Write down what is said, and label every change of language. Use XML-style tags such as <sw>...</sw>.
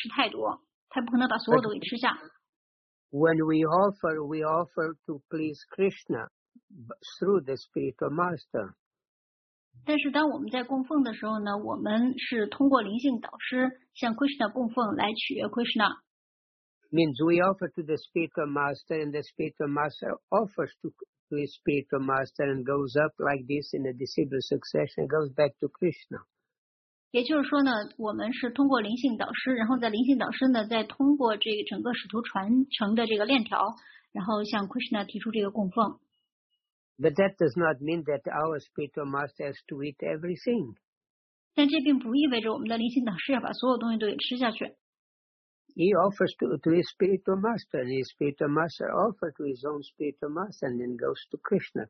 <zh>因为呢，他可能他吃的就很简单，所以他就没有办法吃太多，他不可能把所有的给吃下。</zh> <en>When we offer to please Krishna through the spiritual master.</en> <zh>但是当我们在供奉的时候呢，我们是通过灵性导师向 Krishna 供奉来取悦 Krishna。</zh> <en>Means we offer to the spiritual master, and the spiritual master offers to his spiritual master, and goes up like this in a disciple succession, goes back to Krishna.</en> <zh>也就是说呢，我们是通过灵性导师，然后在灵性导师呢，再通过这个整个使徒传承的这个链条，然后向 Krishna 提出这个供奉。</zh> <en>But that does not mean that our spiritual master has to eat everything.</en> <zh>但这并不意味着我们的灵性导师要把所有东西都给吃下去。</zh> <en>He offers to his spiritual master, and his spiritual master offers to his own spiritual master, and then goes to Krishna.</en>